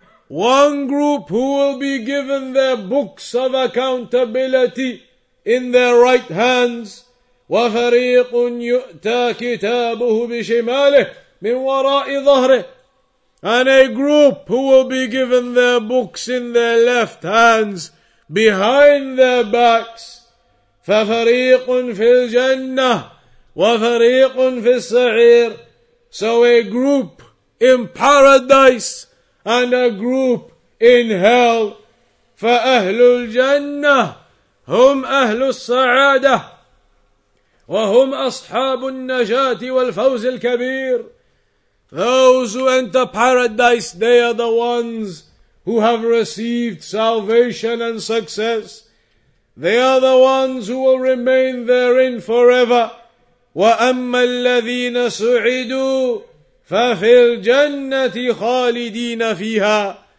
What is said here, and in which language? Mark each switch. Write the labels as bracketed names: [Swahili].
[English] One group who will be given their books of accountability in their right hands. [Arabic] وفريق يؤتى كتابه بشماله من وراء ظهره. [English] And a group who will be given their books in their left hands behind their backs. [Arabic] ففريق في الجنة وفريق في السعير. [English] So a group in paradise and a group in hell. [Arabic] فأهل الجنة هم أهل السعادة وهم أصحاب النجاة والفوز الكبير. [English] Those who enter paradise, they are the ones who have received salvation and success. They are the ones who will remain therein forever. [Arabic] وَأَمَّا الَّذِينَ سُعِدُوا فَفِي الْجَنَّةِ خَالِدِينَ فِيهَا.